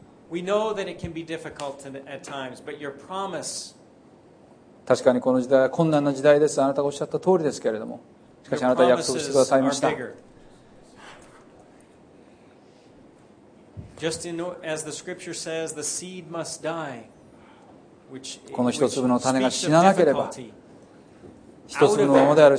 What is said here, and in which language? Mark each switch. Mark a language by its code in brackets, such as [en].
[en] We know that it can be difficult at times, but your promise. [ja] 確かにこの時代は困難な時代です。あなたがおっしゃった通りですけれども、しかしあなたは約束してくださいました。 [en] Just in, as the scripture says, the seed must die, which, [ja] この一粒の種が死ななければ、一粒のままである。